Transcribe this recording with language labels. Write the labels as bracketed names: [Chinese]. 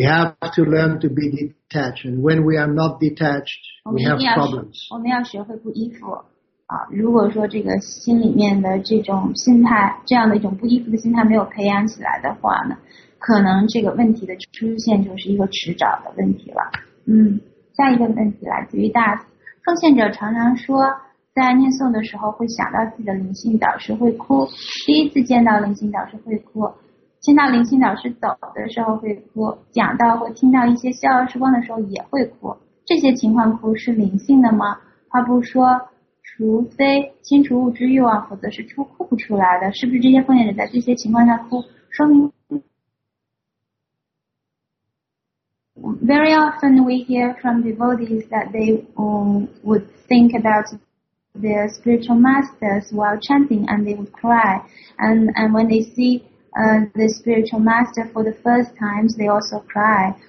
[English] have to learn to be detached, and when we are not detached, we have problems. [Chinese] 我们要学会不依附。如果说这个心里面的这种心态，这样的一种不依附的心态没有培养起来的话呢，可能这个问题的出现就是一个迟早的问题了。下一个问题来自于大奉献者常常说。在念诵的时候会想到自己的灵性导师会哭，第一次见到灵性导师会哭，见到灵性导师走的时候会哭，讲到或听到一些笑的时光的时候也会哭。这些情况哭是灵性的吗？话不说，除非清除物质欲望，否则是哭不出来的。是不是这些奉献者在这些情况下哭，说明？ [English] Very often we hear from devotees that they would think about their spiritual masters while chanting and they would cry. And when they see the spiritual master for the first time, they also cry.